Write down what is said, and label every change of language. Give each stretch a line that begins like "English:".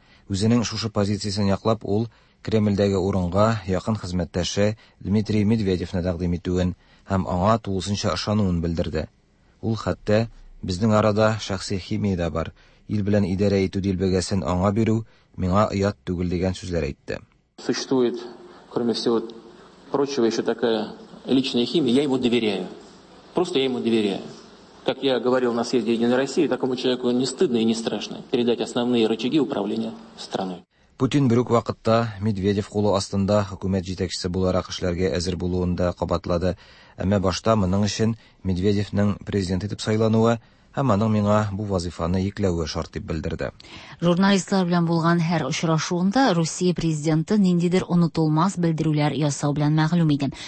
Tatar: Үзенең шушы позициясен яклап ул Кремльдәге урынга якын хезмәттәше Дмитрий Медведевны тәкъдим итүен һәм аңа тулысынча ышануын белдерде. Ул хәтта безнең арада шәхси химия дә бар, ил белән идарә итү дилбегәсен аңа бирү миңа оят түгел дигән сүзләр әйтте.
Russian: Существует, кроме всего прочего, еще такая личная химия, я ему доверяю. Просто я ему доверяю. Как я говорил на съезде Единой России, такому человеку не стыдно и не страшно передать основные рычаги управления страной.
Tatar: Путин бер үк вакытта Медведев кулы астында хөкүмәт җитәкчесе буларак эшләргә әзер булуын да кабатлады. Әмма башта моның өчен Медведевнең президент итеп сайлануы һәм аның миңа бу вазифаны йөкләүе шарт дип белдерде. Журналистлар белән булган һәр очрашуында Россия президенты ниндидер онытылмас белдерүләр ясау белән мәгълүм иде.